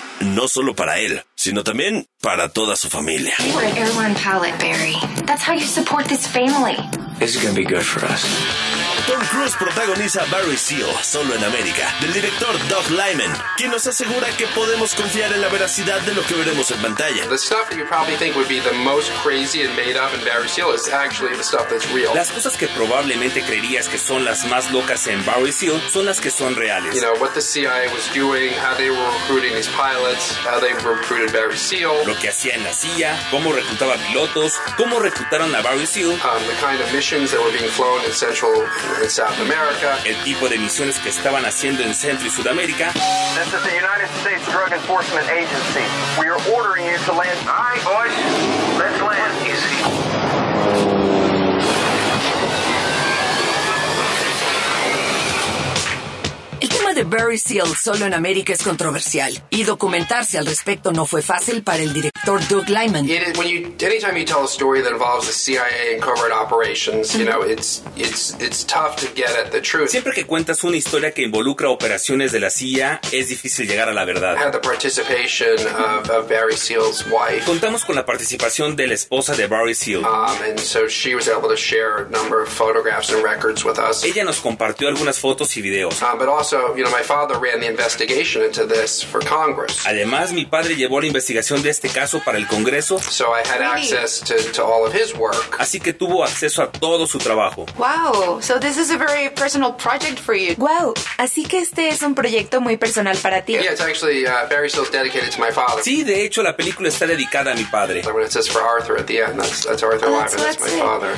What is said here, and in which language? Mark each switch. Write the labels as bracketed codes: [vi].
[es] No solo para él, sino también para toda su familia. [en] You were an airline pilot, Barry. That's how you support this family. This is gonna be good for us. [es] Tom Cruise protagoniza Barry Seal, solo en América, del director Doug Liman, quien nos asegura que podemos confiar en la veracidad de lo que veremos en pantalla. [en] The stuff you probably think would be the most crazy and made up in Barry Seal is actually the stuff that's real. [es] Las cosas que probablemente creerías que son las más locas en Barry Seal son las que son reales. [en] You know, what the CIA was doing, how they were recruiting these pilots, how they recruited Barry Seal. [es] Lo que hacía en la CIA, cómo reclutaba pilotos, cómo reclutaron a Barry Seal. [en] The kind of missions that were being flown in Central in South America. [es] El tipo de misiones que estaban haciendo en Centro y Sudamérica. [en] This is the United States Drug Enforcement Agency. We are ordering you to land. All right, boys. Let's land. Easy. [es] De Barry Seal solo en América es controversial y documentarse al respecto no fue fácil para el director Doug Liman. [en] Anytime you tell a story that involves the CIA and covert operations, you know, it's tough to get at the truth. [es] Siempre que cuentas una historia que involucra operaciones de la CIA, es difícil llegar a la verdad. [en] Had the participation of Barry Seal's wife. [es] Contamos con la participación de la esposa de Barry Seal. [en] And so she was able to share a number of photographs and records with us. [es] Ella nos compartió algunas fotos y videos. [en] But also, you know, my father ran the investigation into this for Congress. [es] Además, mi padre llevó la investigación de este caso para el Congreso. [en] So I had access to all of his work. [es] Así que tuvo acceso a todo su trabajo. [en] Wow, so this is a very personal project for you. [es] Wow, así que este es un proyecto muy personal para ti. [en] Yeah, it's actually Barry Seal's dedicated to my father. [es] Sí, de hecho, la película está dedicada a mi padre. [en] So when it says for Arthur at the end, that's Arthur Liman, that's my father.